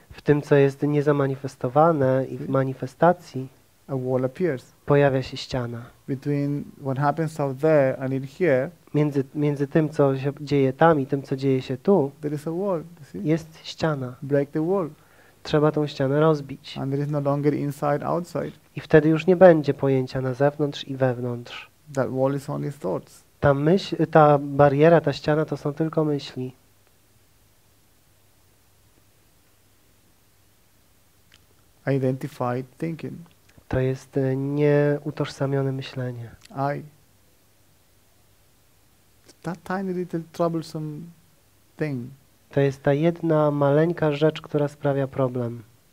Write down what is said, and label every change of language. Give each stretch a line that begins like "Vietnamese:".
Polish: W tym, co jest niezamanifestowane i w manifestacji.
English: A wall appears.
Polish: Pojawia się ściana.
English: Between what happens out there and in here.
Polish: Między tym, co się dzieje tam i tym, co dzieje się tu.
English: There is a wall, you see?
Polish: Jest ściana.
English: Break the wall.
Polish: Trzeba tą ścianę rozbić.
English: And there is no longer inside, outside.
Polish: I wtedy już nie będzie pojęcia na zewnątrz i wewnątrz.
English: That wall is only thoughts.
Polish: Ta bariera, ta ściana to są tylko myśli.
English: Identified thinking.
Polish: To jest nieutożsamione myślenie.
English: I. That tiny little troublesome thing.
Polish: To jest ta jedna maleńka rzecz, która sprawia problem.